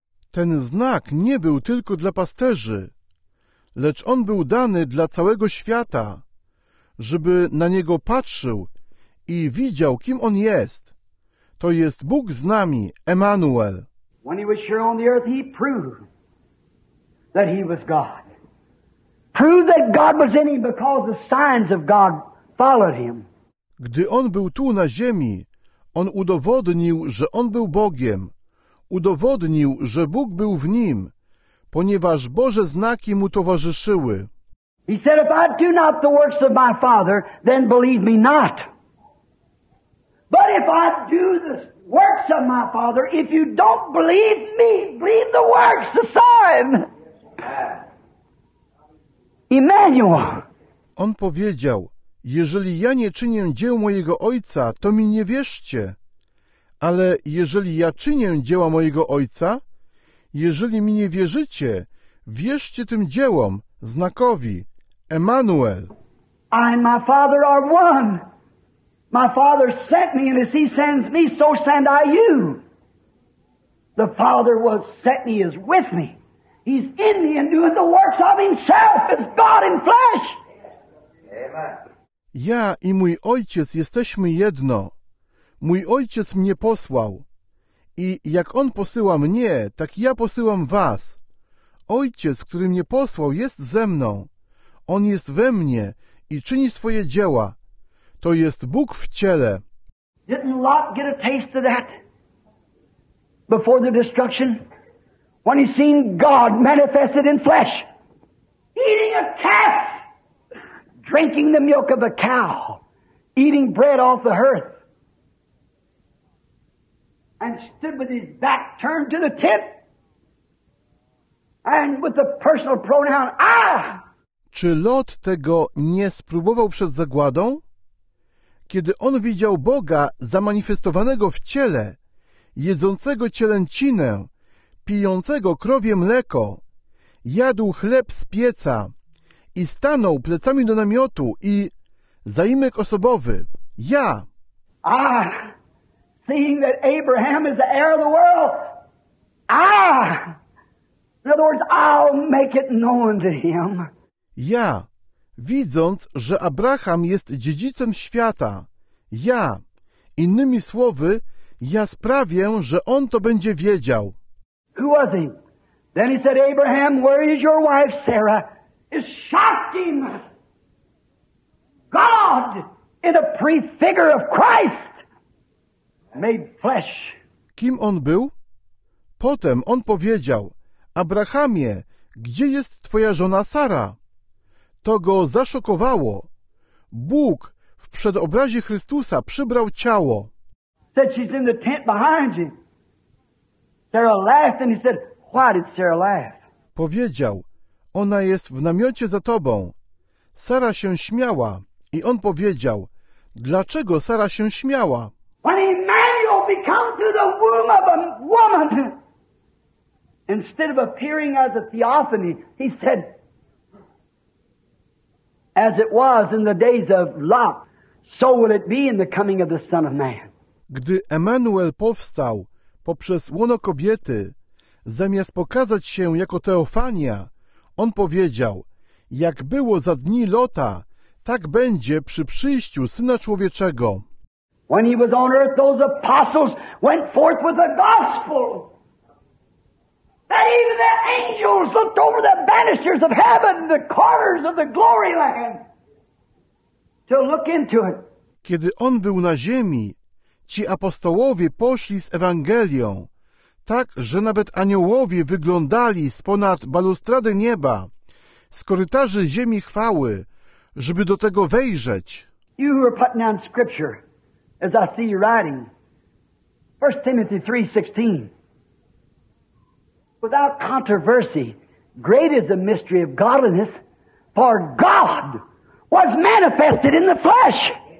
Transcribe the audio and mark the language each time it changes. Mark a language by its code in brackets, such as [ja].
[pl] Ten znak nie był tylko dla pasterzy, lecz on był dany dla całego świata, żeby na niego patrzył i widział, kim on jest. to jest Bóg z nami, Emanuel. [en] When he was here on the earth, he proved that he was God. Proved that God was in him because the signs of God followed him. [pl] Gdy on był tu na ziemi, on udowodnił, że on był Bogiem. Udowodnił, że Bóg był w nim, ponieważ Boże znaki mu towarzyszyły. [en] He said, if I do not the works of my Father, then believe me not. But if I do the works of my Father, if you don't believe me, believe the works, the sign. Emmanuel. [pl] On powiedział, jeżeli ja nie czynię dzieł mojego Ojca, to mi nie wierzcie. Ale jeżeli ja czynię dzieła mojego Ojca, jeżeli mi nie wierzycie, wierzcie tym dziełom, znakowi, Emmanuel. [en] I and my Father are one. My Father sent me, and as he sends me, so send I you. The Father was sent me, is with me. He's in me and doing the works of himself as God in flesh. Amen. [pl] Ja i mój Ojciec jesteśmy jedno. Mój Ojciec mnie posłał. I jak On posyła mnie, tak ja posyłam was. Ojciec, który mnie posłał, jest ze mną. On jest we mnie i czyni swoje dzieła. To jest Bóg w ciele. [en] Didn't Lot get a taste of that before the destruction? When he seen God manifested in flesh. Eating a calf. Drinking the milk of a cow. Eating bread off the hearth. And stood with his back turned to the tent, and with the personal pronoun, ah! [pl] Czy Lot tego nie spróbował przed zagładą? Kiedy on widział Boga zamanifestowanego w ciele, jedzącego cielęcinę, pijącego krowie mleko, jadł chleb z pieca i stanął plecami do namiotu i zaimek osobowy, ja! Ah! [en] Seeing that Abraham is the heir of the world. Ah! In other words, I'll make it known to him. [pl] Ja, widząc, że Abraham jest dziedzicem świata, ja, innymi słowy, ja sprawię, że on to będzie wiedział. [en] Who was he? Then he said, Abraham, where is your wife, Sarah? It shocked him. God in a prefigure of Christ. Made flesh. [pl] Kim on był? Potem on powiedział, Abrahamie, gdzie jest twoja żona Sara? To go zaszokowało. Bóg w przedobrazie Chrystusa przybrał ciało. [en] Said she's in the tent behind you. Sarah laughed and he said, why did Sarah laugh? [pl] Powiedział, ona jest w namiocie za tobą. Sara się śmiała i on powiedział, dlaczego Sara się śmiała? [en] When Emmanuel becomes through the womb of a woman, instead of appearing as a theophany, he said, as it was in the days of Lot, so will it be in the coming of the Son of Man. [pl] Gdy Emmanuel powstał poprzez łono kobiety, zamiast pokazać się jako Teofania, on powiedział, jak było za dni Lota, tak będzie przy przyjściu Syna Człowieczego. [en] When he was on earth, those apostles went forth with the gospel. That even the angels looked over the banisters of heaven, the corners of the glory land, to look into it. [pl] Kiedy on był na ziemi, ci apostołowie poszli z Ewangelią, tak, że nawet aniołowie wyglądali z ponad balustrady nieba, z korytarzy ziemi chwały, żeby do tego wejrzeć. [en] You who are putting down scripture. As I see you writing, 1 Timothy 3:16. Without controversy, great is the mystery of godliness, for God was manifested in the flesh.